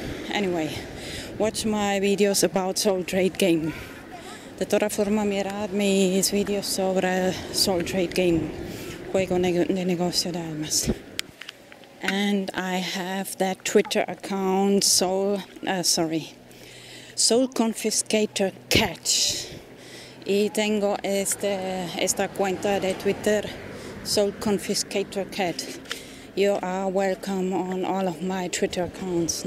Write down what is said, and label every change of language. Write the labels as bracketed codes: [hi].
[en] Anyway, watch my videos about Soul Trade Game. [es] De todas formas, mirad mis videos sobre Soul Trade Game, juego de negocio de almas. [en] And I have that Twitter account, Soul Confiscator Catch. [es] Y tengo esta cuenta de Twitter, Soul Confiscator Cat. [en] You are welcome on all of my Twitter accounts.